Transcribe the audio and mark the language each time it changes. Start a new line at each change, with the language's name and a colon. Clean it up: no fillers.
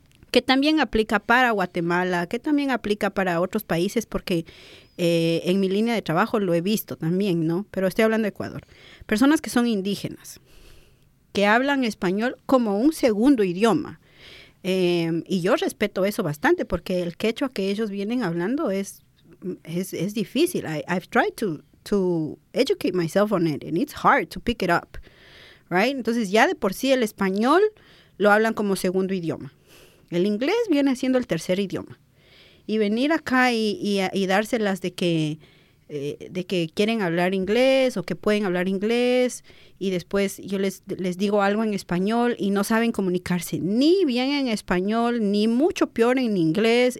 Spanish: Que también aplica para Guatemala, que también aplica para otros países, porque en mi línea de trabajo lo he visto también, ¿no? Pero estoy hablando de Ecuador. Personas que son indígenas, que hablan español como un segundo idioma. Y yo respeto eso bastante, porque el quechua que ellos vienen hablando es difícil.
English: I've tried to educate myself on it, and it's hard to pick it up, right?
Spanish: Entonces, ya de por sí el español lo hablan como segundo idioma. El inglés viene siendo el tercer idioma. Y venir acá y dárselas de que quieren hablar inglés o que pueden hablar inglés y después yo les digo algo en español y no saben comunicarse ni bien en español ni mucho peor en inglés.